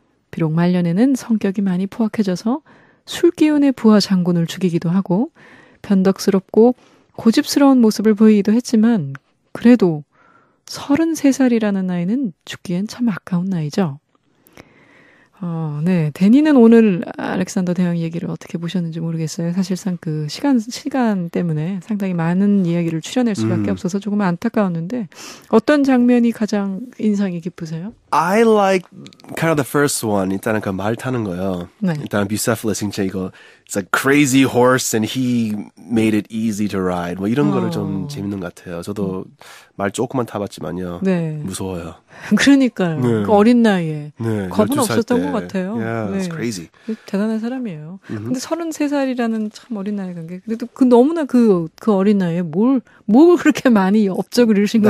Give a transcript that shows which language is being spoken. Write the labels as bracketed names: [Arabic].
[Korean] 비록 말년에는 성격이 많이 포악해져서 술기운의 부하 장군을 죽이기도 하고 변덕스럽고 고집스러운 모습을 보이기도 했지만 그래도 33살이라는 나이는 죽기엔 참 아까운 나이죠. 네. 데니는 오늘 알렉산더 대왕 얘기를 어떻게 보셨는지 모르겠어요. 사실상 그 시간 때문에 상당히 많은 이야기를 추려낼 수밖에 없어서 조금 안타까웠는데 어떤 장면이 가장 인상이 깊으세요? [English] I like kind of the first one. [Korean] 일단은 그 말 타는 거요. 네. 일단 Bucephalus 진짜 이거 [English] It's a crazy horse and he made it easy to ride. [Korean] 뭐 이런 거를 좀 재밌는 것 같아요. 저도 말 조금만 타봤지만요. 네. 무서워요. 그러니까요. 네. 그 어린 나이에. 네. 겁은 없었던 때. 것 같아요. [English] Yeah, 네. It's crazy. [Korean] 대단한 사람이에요. Mm-hmm. 근데 33살이라는 참 어린 나이 관계. 그래도 그 너무나 그 어린 나이에 뭘 그렇게 많이 업적을 이루신 거